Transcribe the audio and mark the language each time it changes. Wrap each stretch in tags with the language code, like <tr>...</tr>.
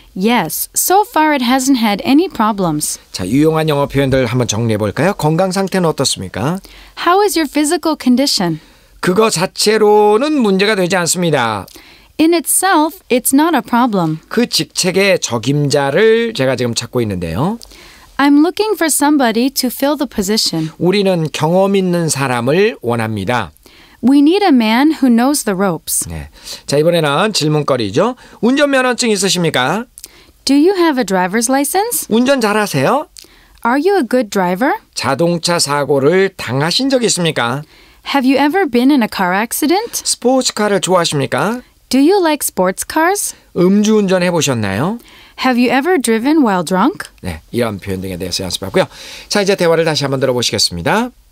<en>Yes, so far it hasn't had any problems.</en> <ko>자, 유용한 영어 표현들 한번 정리해 볼까요? 건강 상태는 어떻습니까?</ko> <en>How is your physical condition?</en> <ko>그거 자체로는 문제가 되지 않습니다.</ko> <en>In itself, it's not a problem.</en> <ko>그 직책의 적임자를 제가 지금 찾고 있는데요.</ko> <en>I'm looking for somebody to fill the position.</en> <ko>우리는 경험 있는 사람을 원합니다.</ko> <en>We need a man who knows the ropes.</en> <ko>네. 자, 이번에는 질문거리죠. 운전면허증 있으십니까?</ko> <en>Do you have a driver's license?</en> <ko>운전 잘하세요?</ko> <en>Are you a good driver?</en> <ko>자동차 사고를 당하신 적 있습니까?</ko> <en>Have you ever been in a car accident?</en> <ko>스포츠카를 좋아하십니까?</ko> <en>Do you like sports cars?</en> <ko>음주운전 해보셨나요?</ko> <en>Have you ever driven while drunk?</en> <ko>네, 이런 표현 등에 대해서 연습하고요. 자, 이제 대화를 다시 한번 들어보시겠습니다.</ko>